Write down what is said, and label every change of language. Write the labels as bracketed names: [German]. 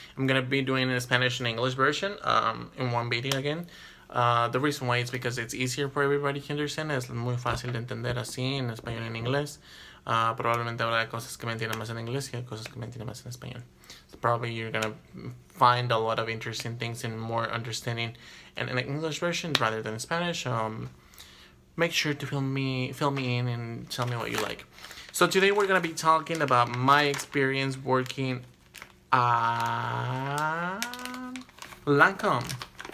[English] I'm gonna be doing a Spanish and English version in one video again. The reason why is because it's easier for everybody to understand. [Spanish] Es muy fácil de entender así en español y en inglés. Probablemente habrá cosas que me entiendan más en inglés y cosas que me entiendan más en español. [English] So probably you're gonna find a lot of interesting things and more understanding in an English version rather than Spanish. Make sure to fill me in and tell me what you like. So today we're going to be talking about my experience working at Lancome.